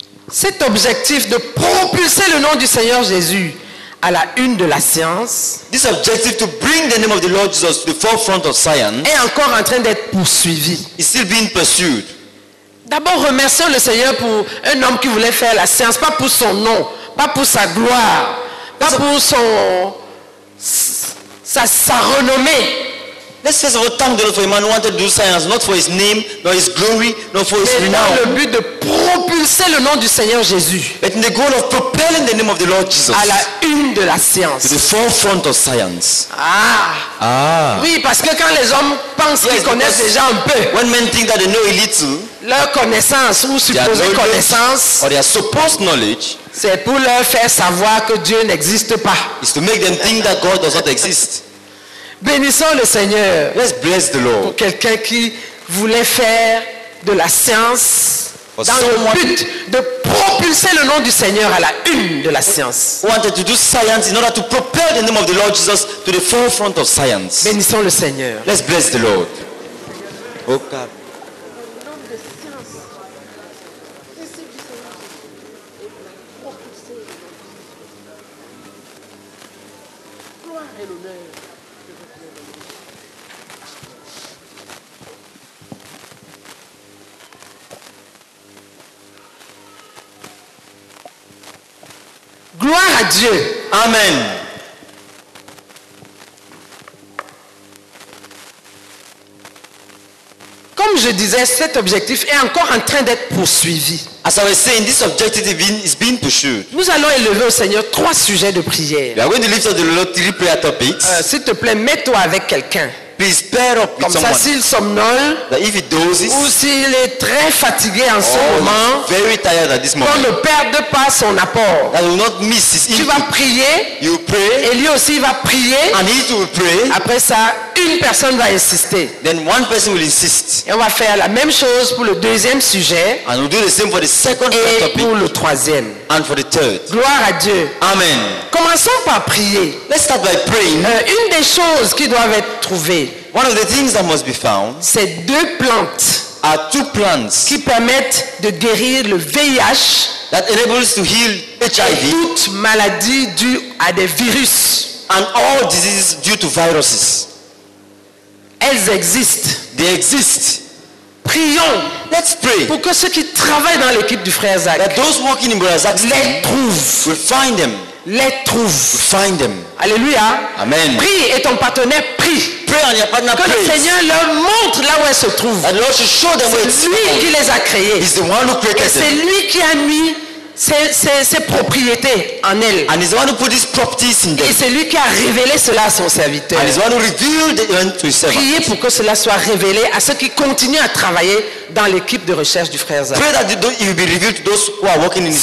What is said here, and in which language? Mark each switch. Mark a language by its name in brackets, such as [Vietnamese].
[French] Cet objectif de propulser le nom du Seigneur Jésus à la une de la science. [English] This objective to bring the name of the Lord Jesus to the forefront of science [French] est encore en train d'être poursuivi. [English] It's still being pursued. [French] D'abord, remercions le Seigneur pour un homme qui voulait faire la science, pas pour son nom, pas pour sa gloire, pas pour sa renommée. [English] Let's first of all thank the Lord for a man who wanted to do science, not for his name, not his glory, not for his renown. [French] Mais le but de propulser le nom du Seigneur Jésus. [English] But in the goal of propelling the name of the Lord Jesus. [French] À la une de la science. [English] To the forefront of science. Ah. Ah. [French] Oui, parce que quand les hommes pensent qu'ils connaissent déjà un peu. [English] When men think that they know a little. [French] Leur connaissance ou supposée connaissance. [English] Or their supposed knowledge. [French] C'est pour leur faire savoir que Dieu n'existe pas. [English] It's to make them think that God does not exist. [French] Bénissons le Seigneur. [English] Let's bless the Lord. [French] Pour quelqu'un qui voulait faire de la science [English] for [French] dans le but de propulser le nom du Seigneur à la une de la science. [English] Wanted to do science in order to propel the name of the Lord Jesus to the forefront of science. [French] Bénissons le Seigneur. [English] Let's bless the Lord. Au cap. [French] Gloire à Dieu. [English] Amen. [French] Comme je disais, cet objectif est encore en train d'être poursuivi. [English] As I was saying, this objective is being pursued. [French] Nous allons élever au Seigneur trois sujets de prière. [English] We are going to lift up the Lord three prayer topics. [French] S'il te plaît, mets-toi avec quelqu'un. [English] Please pair up with someone. [French] S'il somnole, [English] that if he doses, [French] ou s'il est très fatigué en ce moment, [English] very tired at this moment, [French] qu'on ne perde pas son apport. [English] That will not miss his input. [French] Tu vas prier, [English] you pray, [French] et lui aussi va prier, [English] and he will pray. [French] Après ça, une personne va insister. [English] Then one person will insist. [French] Et on va faire la même chose pour le deuxième sujet, [English] and we'll do the same for the second topic, [French] et pour le troisième, [English] and for the third. [French] Gloire à Dieu. [English] Amen. [French] Commençons par prier. [English] Let's start by praying. [French] Une des choses qui doivent être trouvées. [English] One of the things that must be found, [French] c'est deux plantes, [English] are two plants, [French] qui permettent de guérir le VIH, [English] that enables to heal HIV, [French] et toute maladie due à des virus, [English] and all diseases due to viruses. [French] Elles existent. [English] They exist. [French] Prions. [English] Let's pray. [French] Pour que ceux qui travaillent dans l'équipe du frère Zach, [English] that those working in Brother Zach's [French] les trouvent. [English] We'll find them. [French] Les trouve. [English] Find them. [French] Alléluia. [English] Amen. [French] Prie et ton partenaire prie. [English] Pray and your partner [French] que [English] prays. [French] Le Seigneur leur montre là où elles se trouvent. [English] And the Lord should show them where it's. [French] C'est lui qui les a créés. [English] He's the one who created them. [French] Et c'est lui qui a mis ses propriétés en elles. [English] And he's the one who put his properties in them. [French] Et c'est lui qui a révélé cela à son serviteur. [English] And he's the one who revealed it to his servant. [French] Priez pour que cela soit révélé à ceux qui continuent à travailler dans l'équipe de recherche du frère Zach. [English] Pray that it will be revealed to those who are working in his